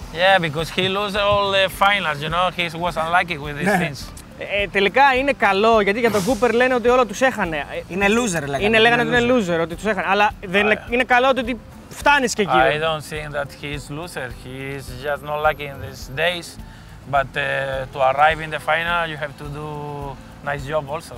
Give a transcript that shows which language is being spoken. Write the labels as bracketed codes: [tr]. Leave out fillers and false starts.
[en] Yeah, because he lost all the finals, you know, he was unlucky with these things. [el] Τελικά είναι καλό, γιατί για τον Cooper λένε ότι όλο τους έχανε. Είναι loser, λέγανε. Λέγανε ότι είναι loser, ότι τους έχανε. Αλλά είναι καλό ότι φτάνεις και εκεί. [en] I don't think that he is loser, he is just not lucky in these days. But to arrive in the final, you have to do nice job also.